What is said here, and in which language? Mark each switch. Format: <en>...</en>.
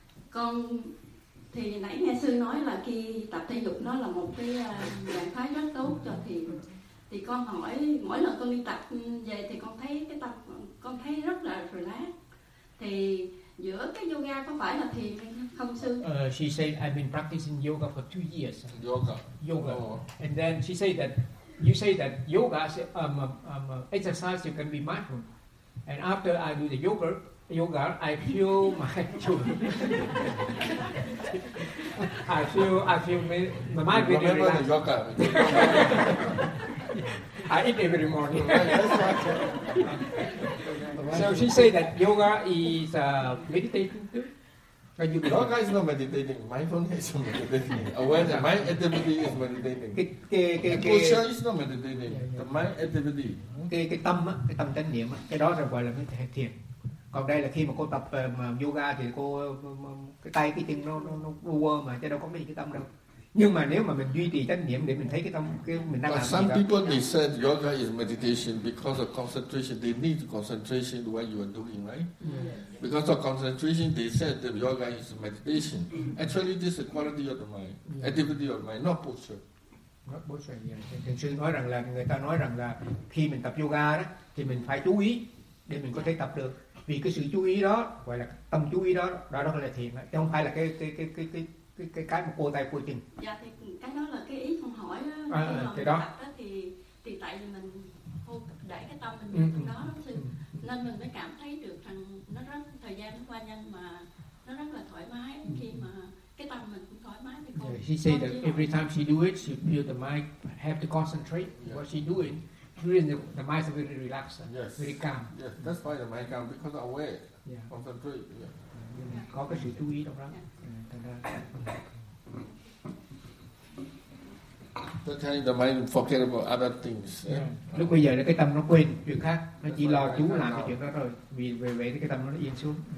<vi>Con thì nãy nghe sư nói là khi tập thể dục nó là một cái trạng thái rất tốt cho thiền. Thì con hỏi mỗi lần con đi tập về thì con thấy cái tập con thấy rất là relax. Thì giữa cái yoga có phải là thiền không sư?</vi> <en>She said I've been practicing yoga for 2 years. Yoga. Oh. And then she said that you say that yoga is exercise you can be mindful, and after I do the yoga, I feel my joy. I feel my mind very relaxed. Remember the yoga. I eat every morning. So she say that yoga is meditating too. Yoga is not meditating. Mindfulness is meditating. Awareness, mind activity is meditating. The posture is not meditating. The mind activity.</en> <vi>Cái tâm chánh niệm á, cái đó là gọi là thiền. Còn đây là khi mà cô tập yoga thì cô cái tay cái chân nó vua mà chứ đâu có mấy cái tâm đâu. Nhưng mà nếu mà mình duy trì chánh niệm để mình thấy cái tâm cái mình đang làm gì.</vi> <en>Some people they said yoga is meditation because of concentration. They need concentration to what you are doing, right? Yeah. Because of concentration, they said that yoga is meditation. Actually, this is the quality of the mind, yeah. Activity of the mind, not posture. Not posture.</en> <vi>Thì sư nói rằng là người ta nói rằng là khi mình tập yoga đó thì mình phải chú ý để mình có thể tập được. Vì cái sự chú ý đó gọi là tâm chú ý đó, đó là thiền, chứ không phải là cái mà cô tay cô chân. Dạ, thì cái đó là cái ý con hỏi đó. Khi mà mình đó. Tập đó thì tại vì mình để cái tâm mình vào trong đó đó sư, nên mình mới cảm thấy được rằng nó rất thời gian nó qua nhanh mà nó rất là thoải mái khi mà cái tâm mình cũng thoải mái. Thì</vi> <en>she said that every time she do it, she feel the mind have to concentrate what she doing. During the mind is very relaxed, very calm. Yes, that's why the mind calm because aware, concentrate.</en> <vi>Có cái sự chú ý trong đó.</vi> <en>The time the mind forget about other things. Yeah. Yeah.</en> <vi>Lúc bây giờ là cái tâm nó quên chuyện khác, nó that's chỉ lo chú làm cái chuyện đó rồi. Vì về vậy thì cái tâm nó yên xuống.</vi>